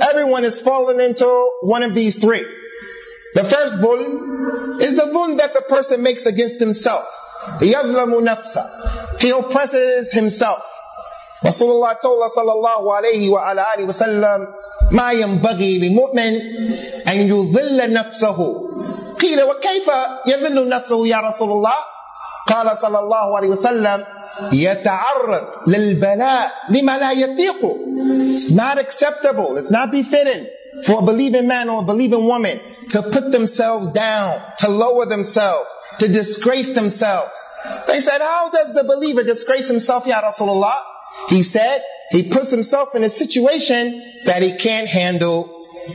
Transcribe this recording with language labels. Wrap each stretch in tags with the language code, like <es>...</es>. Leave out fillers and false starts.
<en>Everyone is falling into one of these three. The first dhulm is the dhulm that the person makes against himself.</en> <ar>يَظْلَمُ نَفْسَ.</ar> <en>He oppresses himself. Rasulullah told us,</en> <ar>sallallahu alayhi wa ala alihi wa sallam, مَا يَنْبَغِي لِمُؤْمِنِ أَنْ يُذِلَّ نَفْسَهُ. قِيلَ وَكَيْفَ يَذِلُّ نَفْسَهُ يَا رَسُولُ اللَّهِ. قال صلى الله عليه وسلم يتعرض للبلاء لما لا يطيق.</ar> <en>It's not acceptable, it's not befitting for a believing man or a believing woman to put themselves down, to lower themselves, to disgrace themselves. They said, how does the believer disgrace himself, Ya Rasulullah? He said, he puts himself in a situation that he can't handle.</en>